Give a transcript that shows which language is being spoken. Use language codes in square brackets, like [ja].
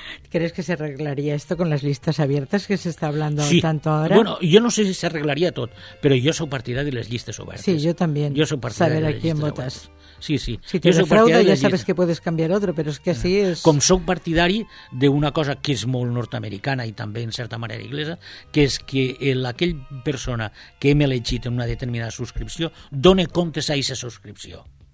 [es] ¿Crees que se arreglaría esto con las listas abiertas que se está hablando sí. tanto ahora? Bueno, yo no sé si se arreglaría [ca] tot, però jo sóc partidari de les llistes obertes. Sí, jo también. Jo sóc partidari de les llistes obertes. [es] Saber a quién votas. Sí, sí. Si te defraudo, ja sabes que puedes cambiar otro, pero es que así es... [ca] Com sóc partidari d'una cosa que és molt nord-americana i també en certa manera inglesa, que és que aquella persona que hem elegit en una determinada subscripció doni comptes a aquesta subscripció.